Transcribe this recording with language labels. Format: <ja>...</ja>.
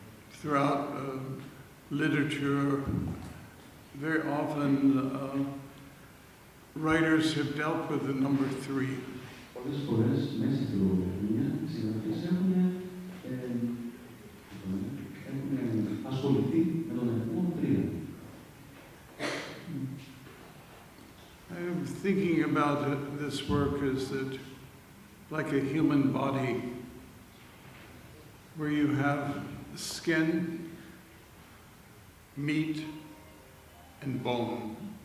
<en>Throughout literature, Very often, writers have dealt with the number three.</en> <el>Πολλές φορές μέσα στη λογοτεχνία συγγραφείς έχουν ασχοληθεί με τον αριθμό τρία.</el> <en>I'm thinking about this work is that like a human body where you have skin, meat, and bone.</en>